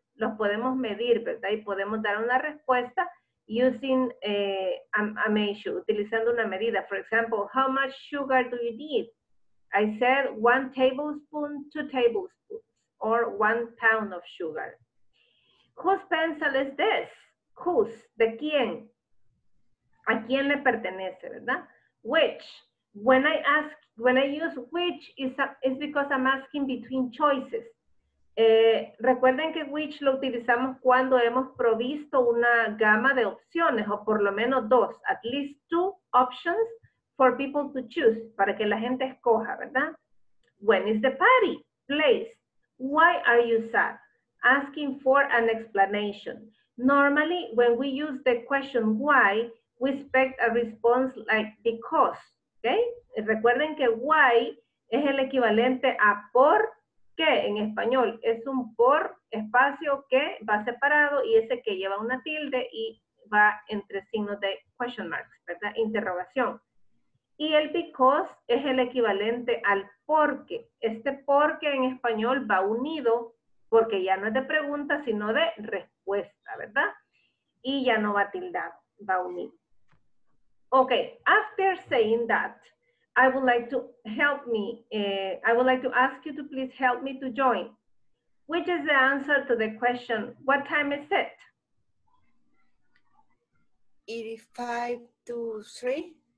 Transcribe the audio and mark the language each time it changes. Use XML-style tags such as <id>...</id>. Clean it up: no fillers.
<es>Los podemos medir, ¿verdad? Y podemos dar una respuesta</es> <en>using a measure,</en> <es>utilizando una medida.</es> <en>For example, how much sugar do you need? I said 1 tablespoon, 2 tablespoons, or 1 pound of sugar. Whose pencil is this? Whose,</en> <es>¿de quién? ¿A quién le pertenece, verdad?</es> <en>Which, when I use which, is because I'm asking between choices.</en> <es>Recuerden que which lo utilizamos cuando hemos provisto una gama de opciones, o por lo menos dos,</es> <en>at least 2 options for people to choose,</en> <es>para que la gente escoja, ¿verdad?</es> <en>When is the party? Place. Why are you sad? Asking for an explanation. Normally, when we use the question why, we expect a response like because, ¿okay?</en> <es>Recuerden que why es el equivalente a por que en español es un por espacio que va separado y ese que lleva una tilde y va entre signos de</es> <en>question marks,</en> <es>¿verdad? Interrogación. Y el because es el equivalente al porque. Este porque en español va unido porque ya no es de pregunta, sino de respuesta, ¿verdad? Y ya no va tildado, va unido.</es> <en>Ok, after saying that, I would like to help me, I would like to ask you to please help me to join. Which is the answer to the question, what time is it? It is 5 to 3.</en>